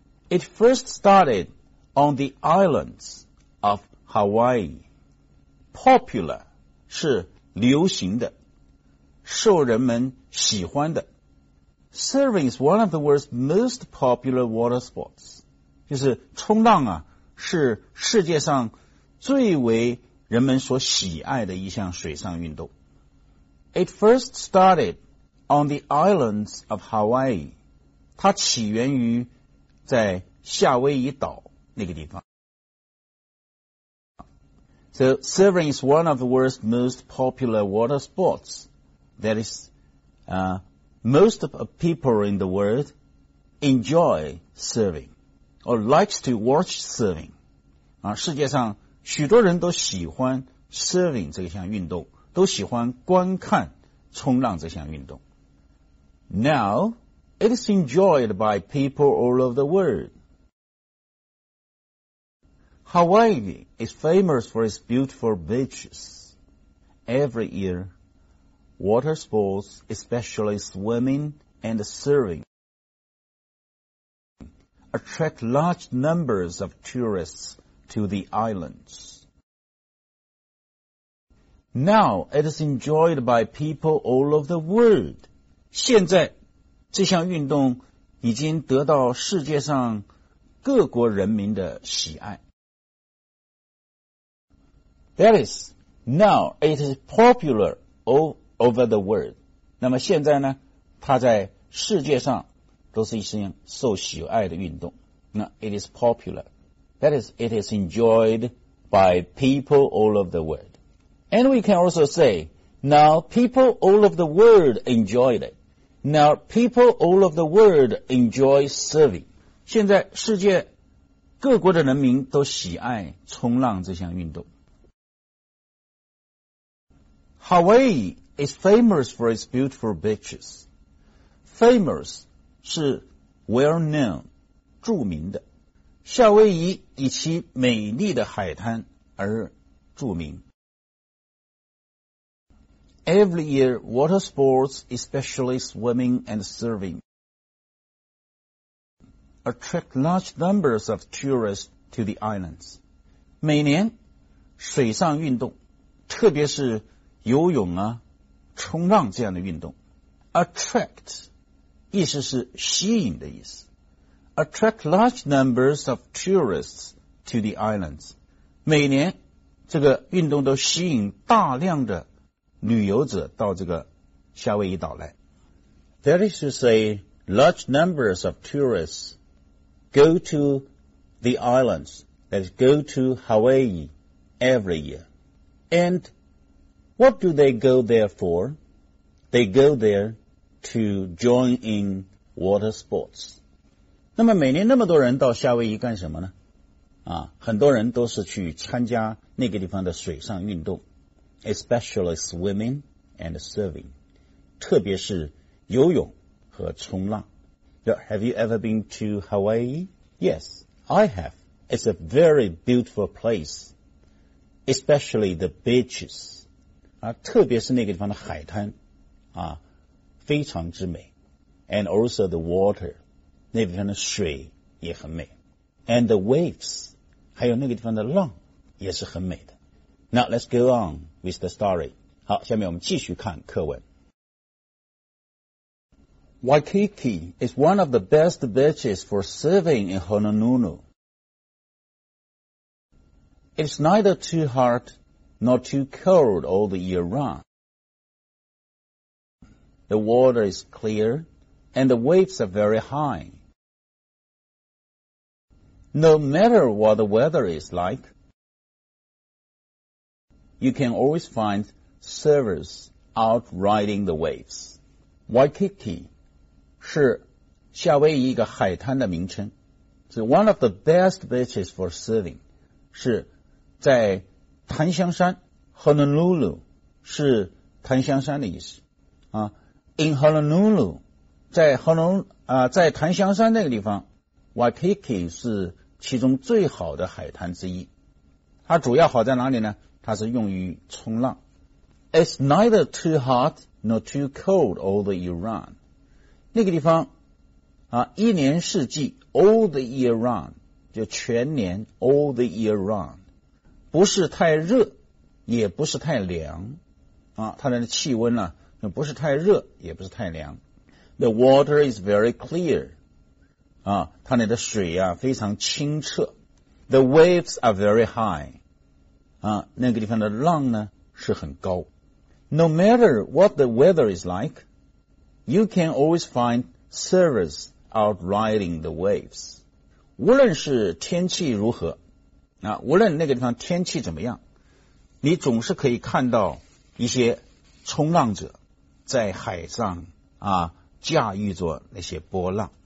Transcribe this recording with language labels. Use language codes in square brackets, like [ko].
[en] It first started on the islands of Hawaii. [zh] Popular 是流行的，受人们喜欢的。 [en] Surfing is one of the world's most popular water sports. [zh] 就是冲浪啊，是世界上最为人们所喜爱的一项水上运动。 [en] It first started on the islands of Hawaii. [zh] 它起源于在夏威夷岛那个地方。 [en] So surfing is one of the world's most popular water sports. That is, Most of the people in the world enjoy surfing or likes to watch surfing. [zh] 啊，世界上许多人都喜欢 surfing 这项运动，都喜欢观看冲浪这项运动。 [en] Now, it is enjoyed by people all over the world. Hawaii is famous for its beautiful beaches. Every year,Water sports, especially swimming and surfing, attract large numbers of tourists to the islands. Now, it is enjoyed by people all over the world. [zh] 现在这项运动已经得到世界上各国人民的喜爱。 [en] That is, now it is popular over the world. [zh] 那么现在呢，它在世界上都是一项受喜爱的运动。 [en] 那 it is popular. That is, it is enjoyed by people all over the world. And we can also say, now people all over the world enjoy it. Now people all over the world enjoy surfing. [zh] 现在世界各国的人民都喜爱冲浪这项运动。 [en] Hawaii is famous for its beautiful beaches. Famous 是 well known, [zh] 著名的。夏威夷以其美丽的海滩而著名。 [en] Every year, water sports, especially swimming and surfing, attract large numbers of tourists to the islands. [zh] 每年水上运动，特别是游泳啊、冲浪这样的运动 ，attract 意思是吸引的意思。 [en] Attract large numbers of tourists to the islands. [zh] 每年这个运动都吸引大量的旅游者到这个夏威夷岛来。 [en] That is to say, large numbers of tourists go to the islands, that is, go to Hawaii every year. And what do they go there for? They go there to join in water sports. [zh] 那么每年那么多人到夏威夷干什么呢？啊，很多人都是去参加那个地方的水上运动 [en] ，especially swimming and surfing， [zh] 特别是游泳和冲浪。 [en] Have you ever been to Hawaii? Yes, I have. It's a very beautiful place, especially the beaches. [zh] 啊，特别是那个地方的海滩，啊，非常之美。 [en] And also the water, [zh] 那边的水也很美。 [en] And the waves, [zh] 还有那个地方的浪也是很美的。 [en] Now let's go on with the story. [zh] 好，下面我们继续看课文。 [en] Waikiki is one of the best beaches for surfing in Honolulu. It's neither too hot nor too cold all the year round. The water is clear and the waves are very high. No matter what the weather is like, you can always find surfers out riding the waves. Waikiki. [zh] 是夏威夷一个海滩的名称， [en] 是 one of the best beaches for surfing， [zh] 是在檀香山 Honolulu 是檀香山的意思啊。 [en] In Honolulu， [zh] 在 在檀香山那个地方 ，Waikiki 是其中最好的海滩之一。它主要好在哪里呢？它是用于冲浪。 [en] It's neither too hot nor too cold all the year round。 [zh] 那个地方啊，一年四季 [en] all the year round， [zh] 就全年 all the year round， 不是太热也不是太凉啊，它的气温呢、啊、不是太热也不是太凉。 [en] The water is very clear [zh] 啊，它那的水啊非常清澈。 [en] The waves are very high [zh] 啊，那个地方的浪呢是很高。 [en] No matter what the weather is likeYou can always find surfers out riding the waves. [zh] 无论是天气如何，啊，无论那个地方天气怎么样，你总是可以看到一些冲浪者在海上啊驾驭着那些波浪。